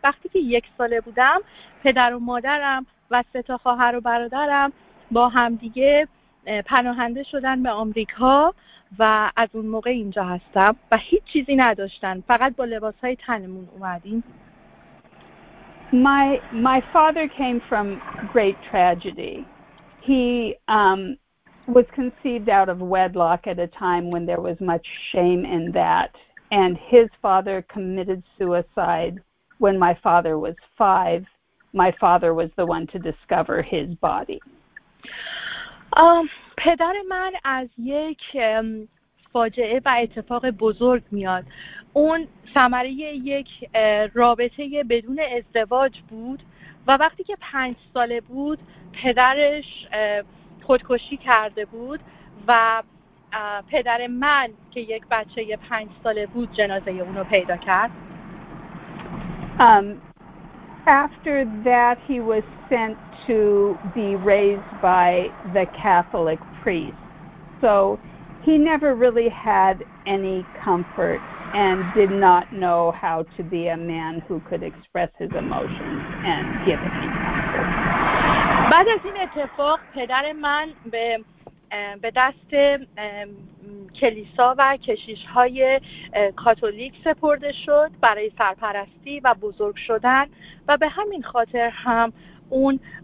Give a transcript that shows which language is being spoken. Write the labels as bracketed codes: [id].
[fa] وقتی که یک ساله بودم پدر و مادرم و سه تا خواهر و برادرم با هم دیگه پناهنده شدن به آمریکا و از اون موقع اینجا هستم و هیچ چیزی نداشتن، فقط با لباس‌های تنمون اومدیم. [en] My father came from great tragedy. He was conceived out of wedlock at a time when there was much shame in that, and his father committed suicide when my father was 5. My father was the one to discover his body. [fa] پدر من از یک فاجعه و اتفاق بزرگ میاد اون ثمره یک رابطه بدون ازدواج بود و وقتی که 5 ساله بود پدرش خودکشی کرده بود و پدر من که یک بچه 5 ساله بود جنازه اونو پیدا کرد. [en] After that he was sent to be raised by the Catholic priest. So he never really had any comfort and did not know how to be a man who could express his emotions and give any comfort. [fa] بعد از این اتفاق پدر من به دست کلیسا و کشیش‌های کاتولیک سپرده شد برای سرپرستی و بزرگ شدن و به همین خاطر هم اون